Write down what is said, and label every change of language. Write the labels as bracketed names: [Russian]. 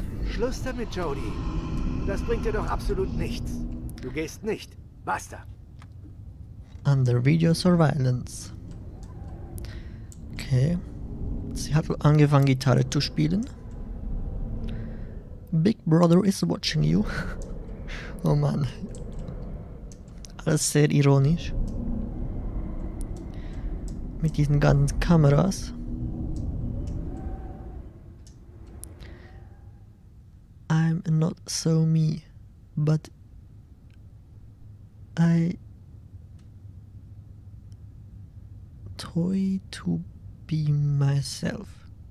[German] Schluss damit, Jody. Das bringt dir doch absolut nichts. Du gehst nicht. Basta. [English] Under Video Surveillance. Okay. [German] Sie hat angefangen, Gitarre zu spielen. [English] Big Brother is watching you. [German] Oh Mann. Alles sehr ironisch. Mit diesen ganzen Kameras. [English] I'm not so me, but I toy to be myself.